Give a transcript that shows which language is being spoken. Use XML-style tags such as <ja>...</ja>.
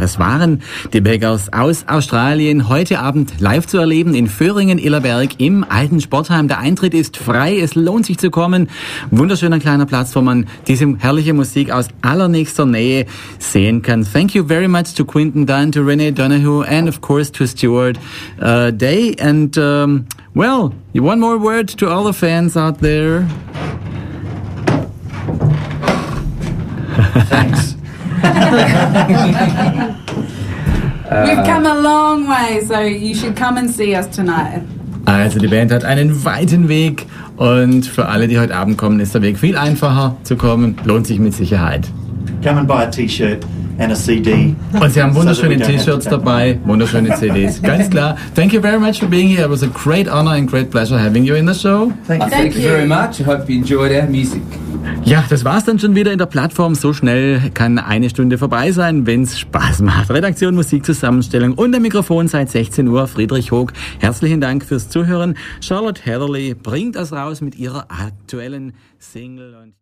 <de>Das waren die Beggars aus Australien, heute Abend live zu erleben in Vöhringen-Illerberg im alten Sportheim. Der Eintritt ist frei, es lohnt sich zu kommen. Wunderschöner kleiner Platz, wo man diese herrliche Musik aus allernächster Nähe sehen kann.</de> <en>Thank you very much to Quinton Dunn, to Renee Donahue and of course to Stuart Day. And well, one more word to all the fans out there. Thanks. We've come a long way, so you should come and see us tonight.</en> <de>Also die Band hat einen weiten Weg und für alle, die heute Abend kommen, ist der Weg viel einfacher zu kommen. Lohnt sich mit Sicherheit.</de> <en>Come and buy a T-shirt and a CD.</en> <de>Und sie haben wunderschöne T-Shirts dabei, wunderschöne CDs. Ganz klar.</de> <en>Thank you very much for being here. It was a great honor and great pleasure having you in the show. Thank you very much. I hope you enjoyed our music.</en> <de>Ja, das war's dann schon wieder in der Plattform. So schnell kann eine Stunde vorbei sein, wenn's Spaß macht. Redaktion, Musikzusammenstellung und am Mikrofon seit 16 Uhr Friedrich Hoog. Herzlichen Dank fürs Zuhören. Charlotte Heatherly bringt das raus mit ihrer aktuellen Single. Und</de>